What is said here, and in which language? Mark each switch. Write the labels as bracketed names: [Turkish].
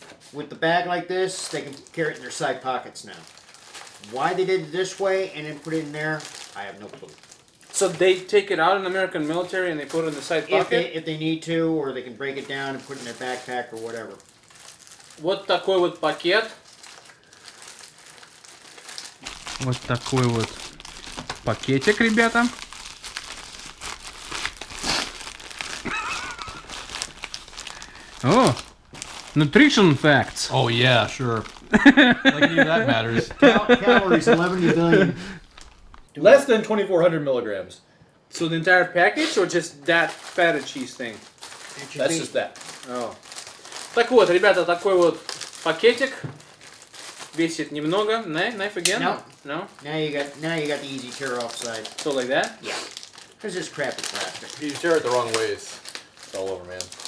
[English] With the bag like this, they can carry it in their side pockets now. Why they did it this way and then put it in there, I have no clue. So they take it out in the American military and they put it in the side pocket? If they need to, or they can break it down and put it in their backpack or whatever. [Russian] Вот такой вот пакет. Вот такой вот пакетик, ребята. [English] Oh! Nutrition facts. Oh yeah, sure. Like that matters. Calories 11 billion. Less than 2400 milligrams. So the entire package or just that feta cheese thing? That's just that. Oh. [Russian] Так вот, ребята, такой вот пакетик. Весит немного. [English] Knife again? No. No? Now you got the easy tear off side. So like that? Yeah. Because it's crappy plastic. If you tear it the wrong way, it's all over, man.